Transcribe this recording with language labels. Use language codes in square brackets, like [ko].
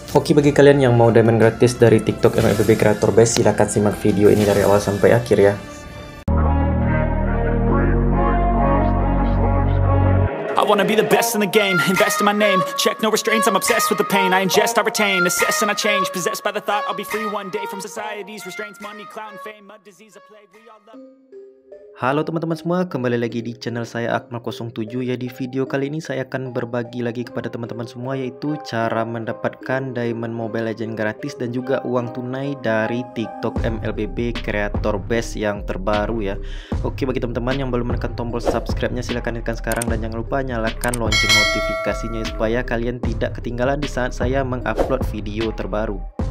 [id] Oke, bagi kalian yang mau diamond gratis dari TikTok MFBB Creator Base, silahkan simak video ini dari awal sampai akhir ya. [en] I wanna be the best in the game, invest in my name. Check no restraints, I'm obsessed with the pain. I ingest, I retain, assess and I change. Possessed by the thought I'll be free one day from society's restraints, money, clout and fame, mud disease, a plague. We all love. [id] Halo teman-teman semua, kembali lagi di channel saya Akmal07. Ya, di video kali ini saya akan berbagi lagi kepada teman-teman semua, yaitu cara mendapatkan Diamond Mobile Legend gratis dan juga uang tunai dari TikTok MLBB Creator Base yang terbaru ya. Oke, bagi teman-teman yang belum menekan tombol subscribe-nya, silahkan tekan sekarang dan jangan lupa nyalakan lonceng notifikasinya supaya kalian tidak ketinggalan di saat saya mengupload video terbaru.